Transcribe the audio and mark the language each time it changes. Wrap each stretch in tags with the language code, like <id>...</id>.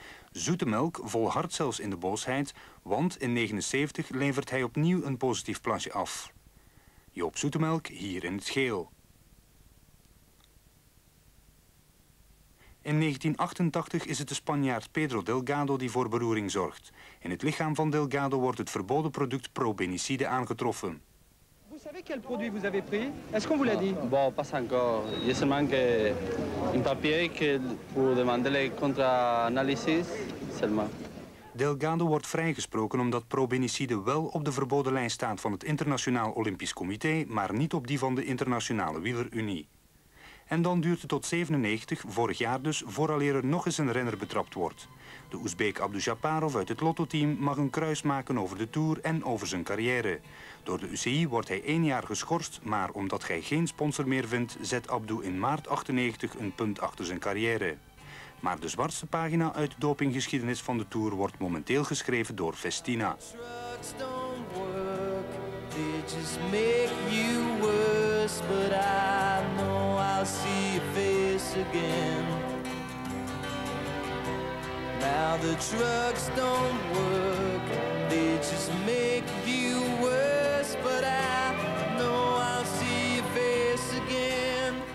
<nl>Zoetemelk volhardt zelfs in de boosheid, want in 1979 levert hij opnieuw een positief plasje af. Joop Zoetemelk hier in het geel. In 1988 is het de Spanjaard Pedro Delgado die voor beroering zorgt. In het lichaam van Delgado wordt het verboden product probenicide aangetroffen.</nl> <fr>Vous savez quel produit vous avez pris? Est-ce qu'on vous l'a dit? Bon, pas encore. Je sais manque un papier que pour demander les contre-analyses seulement.</fr> <nl>Delgado wordt vrijgesproken omdat probenicide wel op de verboden lijst staat van het Internationaal Olympisch Comité, maar niet op die van de Internationale Wielerunie. En dan duurt het tot 97, vorig jaar dus, vooraleer er nog eens een renner betrapt wordt. De Oezbeek Abdujaparov uit het Lotto-team mag een kruis maken over de Tour en over zijn carrière. Door de UCI wordt hij 1 jaar geschorst, maar omdat hij geen sponsor meer vindt, zet Abdu in maart 98 een punt achter zijn carrière. Maar de zwartste pagina uit de dopinggeschiedenis van de Tour wordt momenteel geschreven door Festina.</nl> <en>They just make you worse, but I know I'll see your face again. Now the trucks don't work, they just make you worse, but I know I'll see your face again.</en>